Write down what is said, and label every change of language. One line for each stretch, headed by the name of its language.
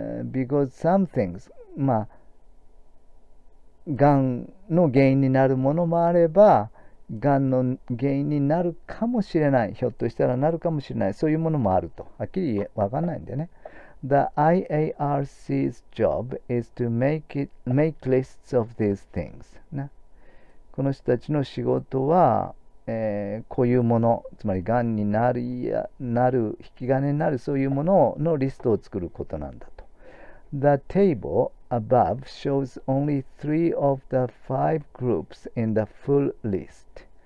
English: because some things、
Japanese: まあ、がんの原因になるものもあれば、がんの原因になるかもしれない、ひょっとしたらなるかもしれない、そういうものもあると、はっきり言え、わかんないんだよね。
English: The IARC's job is to make lists of these things、ね。
Japanese: この人たちの仕事は、こういうもの、つまりがんになるや、なる、引き金になる、そういうもののリストを作ることなんだと。
English: The table above shows only three of the five groups in the full list。